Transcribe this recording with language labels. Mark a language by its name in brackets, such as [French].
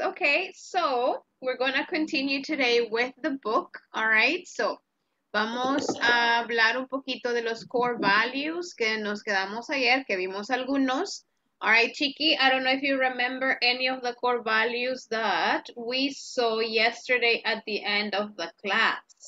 [English] Okay, so we're going to continue today with the book. [Spanish] All right, so vamos a hablar un poquito de los core values que nos quedamos ayer, que vimos algunos. [English] All right, Chiqui, I don't know if you remember any of the core values that we saw yesterday at the end of the class.